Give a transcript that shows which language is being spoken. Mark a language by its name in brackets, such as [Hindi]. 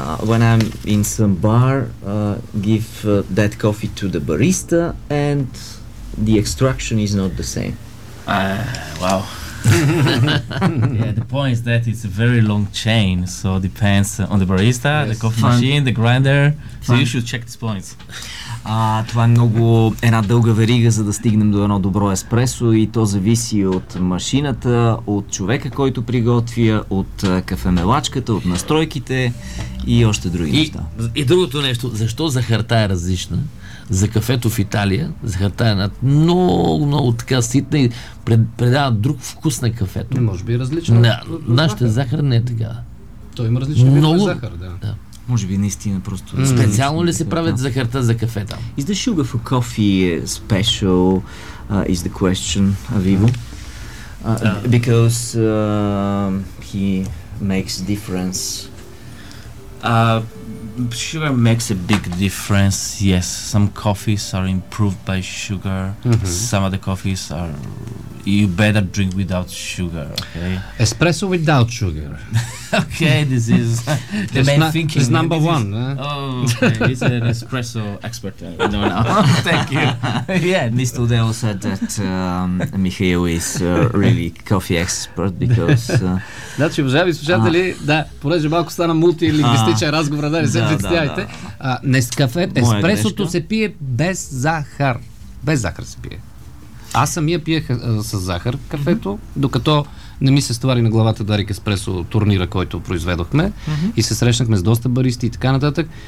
[English] When I'm in some bar, give that coffee to the barista and the extraction is not the same. Wow. Yeah, the point is that it's a very long chain, so it depends on the barista, yes, the coffee machine, the grinder. So you should check these points. [Bulgarian] Това е много една дълга верига, за да стигнем до едно добро еспресо, и то зависи от машината, от човека, който приготвя, от кафемелачката, от настройките и още други неща. И другото нещо, защо захарта е различна за кафето в Италия? Захарта е много, много така ситна и предава друг вкус на кафето. Не, може би е различна. Нашата захар не е така. Той има различен много вид на захар, да. Да. Може би наистина просто... Специално ли се правят захарта за кафе там? [English] Is the sugar for coffee special is the question, Vivo? Because he makes difference. Sugar makes a big difference, yes. Some coffees are improved by sugar. Mm-hmm. Some other coffees are... You better drink without sugar, okay? Espresso without sugar. Okay, this is the main thinking. It's number one. Is, okay, he's an espresso expert. No. Thank you. Yeah, Mr. Oddell said that Michael is really coffee expert because... [Bulgarian] Значи, уважаеми слушатели, да, понеже малко стана мултилингвистичен разговор, да не се представяйте. Еспресото се пие без захар. Без захар се пие. Аз самия пиех с захар кафето, докато не ми се стовари на главата Дарик Еспресо турнира, който произведохме и се срещнахме с доста баристи и така нататък.